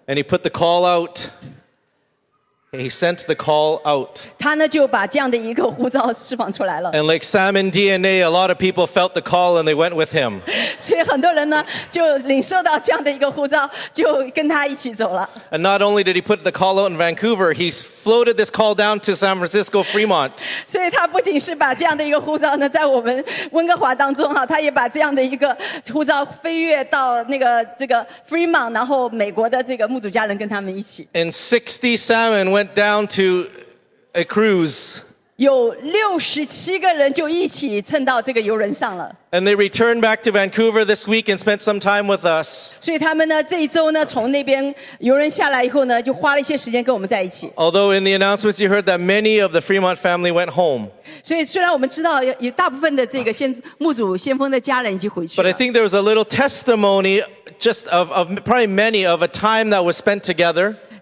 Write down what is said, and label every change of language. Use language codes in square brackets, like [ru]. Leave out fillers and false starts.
[en] And he put the call outHe sent the call out. [zh] 他呢就把这样的一个呼召释放出来了。 [en] And like Salmon DNA, a lot of people felt the call and they went with him. [zh] 所以很多人呢就领受到这样的一个呼召，就跟他一起走了。 [en] And not only did he put the call out in Vancouver, he floated this call down to San Francisco, Fremont. [zh] 所以他不仅是把这样的一个呼召呢在我们温哥华当中哈，他也把这样的一个呼召飞跃到那个这个 Fremont， 然后美国的这个牧主家人跟他们一起。 [en] And 60 salmon went down to a cruise. [zh] 有六十七个人就一起乘到这个游轮上了。 [en] And they returned back to Vancouver this week and spent some time with us. [zh] 所以他们呢这一周呢从那边游轮下来以后呢就花了一些时间跟我们在一起。 [en] Although in the announcements you heard that many of the Fremont family went home. [zh] 所以虽然我们知道有大部分的这个牧主先锋的家人已经回去了。 [en] But I think there was a little testimony just of probably many of a time that was spent together.